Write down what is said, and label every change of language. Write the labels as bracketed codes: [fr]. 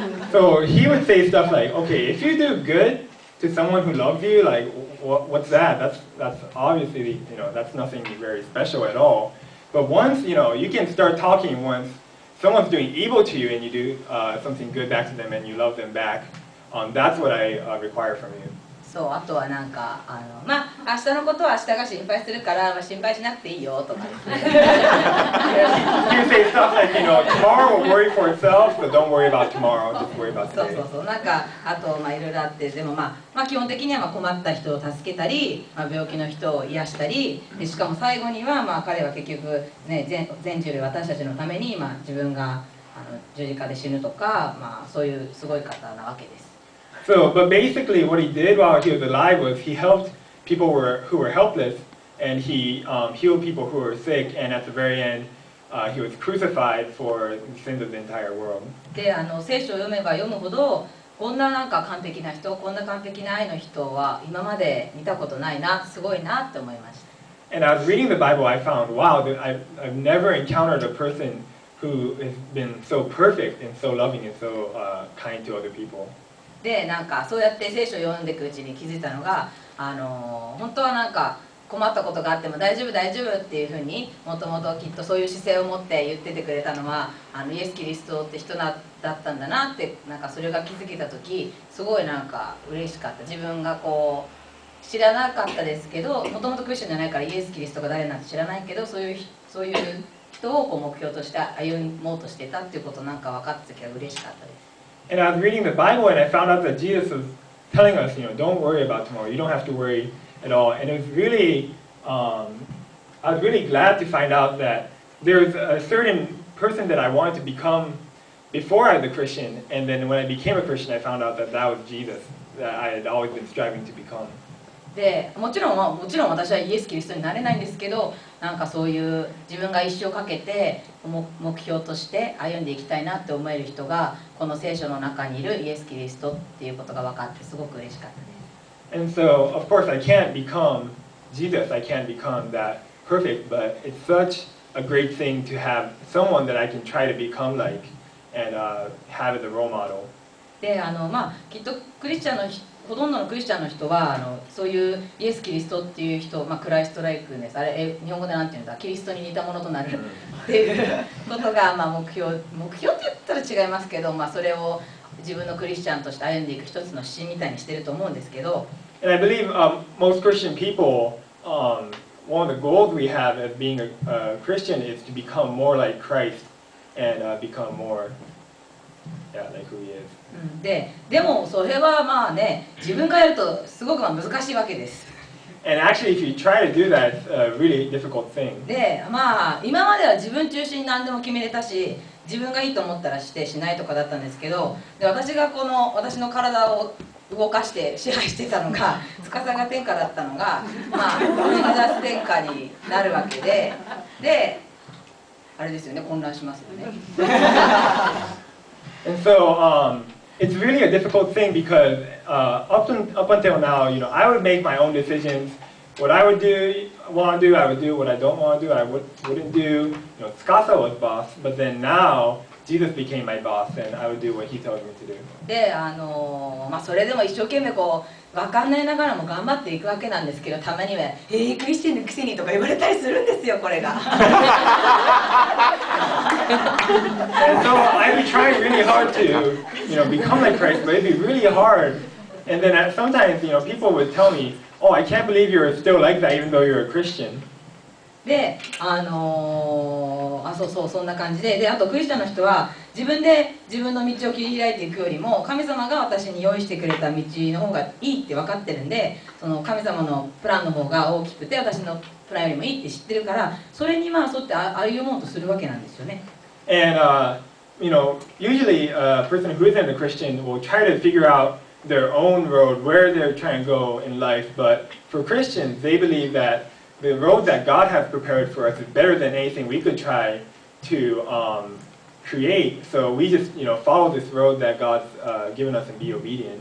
[en] So he would say stuff like, okay, if you do good to someone who loves you, like, what's that? That's obviously, you know, that's nothing very special at all. But once, you know, you can start talking once someone's doing evil to you and you do、something good back to them and you love them back,、that's what I、require from you. [ja] そう、あとはなんか、まあ、明日のことは明日が心配するから、まあ、心配しなくていいよとか。 [en] you know, tomorrow will worry for itself, but don't worry about tomorrow, just worry about today. [ja] そうそうそう、なんかあとまあいろいろあって、でもまあ、まあ基本的にはまあ困った人を助けたり、まあ病気の人を癒したり、でしかも最後にはまあ彼は結局ね、全人類私たちのためにまあ自分があの十字架で死ぬとか、まあそういうすごい方なわけです。 [en] So, but basically what he did while he was alive was he helped people who were helpless and he healed people who were sick and at the very end he was crucified for the sins of the entire world. [ja] で、あの、聖書を読めば読むほどこんななんか完璧な人、こんな完璧な愛の人は今まで見たことないな、すごいなって思いました。 [en] And I was reading the Bible, I found, wow, I've never encountered a person who has been so perfect and so loving and so kind to other people. [ja] でなんかそうやって聖書を読んでいくうちに気づいたのが、本当はなんか困ったことがあっても大丈夫大丈夫っていうふうにもともときっとそういう姿勢を持って言っててくれたのはあのイエス・キリストって人だったんだなってなんかそれが気づけた時すごいなんか嬉しかった。自分がこう知らなかったですけどもともとクリスチャンじゃないからイエス・キリストが誰なんて知らないけどそういう人をこう目標として歩もうとしてたっていうことなんか分かった時は嬉しかったです。 [en] And I was reading the Bible and I found out that Jesus was telling us, you know, don't worry about tomorrow. You don't have to worry at all. And it was really, I was really glad to find out that there was a certain person that I wanted to become before I was a Christian. And then when I became a Christian, I found out that that was Jesus that I had always been striving to become. [ja] で、もちろん私はイエス・キリストになれないんですけど、なんかそういう自分が一生かけて目標として歩んでいきたいなって思える人がこの聖書の中にいるイエス・キリストっていうことが分かってすごく嬉しかったです。 [en] And so, of course, I can't become Jesus. I can't become that perfect, but it's such a great thing to have someone that I can try to become like and have as a role model. [ja] で、まあ、きっとクリスチャンの人ほとんどのクリスチャンの人はそういうイエス・キリストっていう人、まあ、クライストライクネス、あれ日本語でなんて言うんだ、キリストに似たものとなるっていうことが、まあ、目標って言ったら違いますけど、まあ、それを自分のクリスチャンとして歩んでいく一つの指針みたいにしてると思うんですけど。 [en] And I believe most Christian people one of the goals we have as being a Christian is to become more like Christ and become more like who he is. [ja] でもそれはまあね、自分がやるとすごく難しいわけです。 [en] And actually, if you try to do that, it's a really difficult thing. [ja] で、まあ今までは自分中心に何でも決めれたし、自分がいいと思ったらしてしないとかだったんですけど、で私がこの私の体を動かして支配してたのが司が天下だったのが、まあジーザス天下になるわけで、で、あれですよね、混乱しますよね。 [en] And so it's really a difficult thing because up until now, you know, I would make my own decisions. What I would do, want to do, I would do. What I don't want to do, I wouldn't do. You know, Tsukasa was boss, but then now Jesus became my boss, and I would do what he tells me to do. [ja] で、まあそれでも一生懸命こう分かんないながらも頑張っていくわけなんですけど、たまには、クリスチャンのくせにとか言われたりするんですよ、これが。 [en] And so I'd be trying really hard to, you know, become like Christ, but it'd be really hard. And then sometimes, you know, people would tell me, oh, I can't believe you're still like that, even though you're a Christian. [ja] で、そんな感じで、で、あとクリスチャンの人は、自分で自分の道を切り開いていくよりも、神様が私に用意してくれた道の方がいいって分かってるんで、その神様のプランの方が大きくて、私のプランよりもいいって知ってるから、それにまあ沿って歩もうとするわけなんですよね。 [en] And, you know, usually a person who isn't a Christian will try to figure out their own road, where they're trying to go in life, but for Christians, they believe that the road that God has prepared for us is better than anything we could try to create. So we just, you know, follow this road that God's given us and be obedient.